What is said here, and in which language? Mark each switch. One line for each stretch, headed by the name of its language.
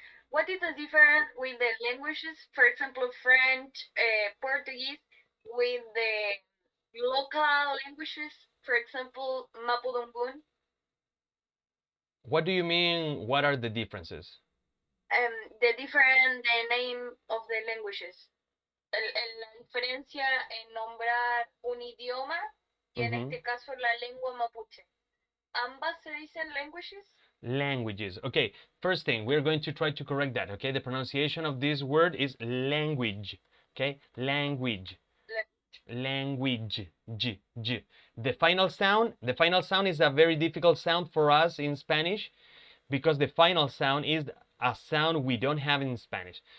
English: What is the difference with the languages, for example, French, Portuguese, with the local languages, for example, Mapudungun? What do you mean, what are the differences? The different the name of the languages.
Spanish: La diferencia en nombrar un idioma, y en este caso la lengua mapuche. Ambas se dicen languages?
English: Languages. Okay, first thing, we're going to try to correct that, okay? The pronunciation of this word is language, okay? Language. Language. G. The final sound is a very difficult sound for us in Spanish, because the final sound is a sound we don't have in Spanish.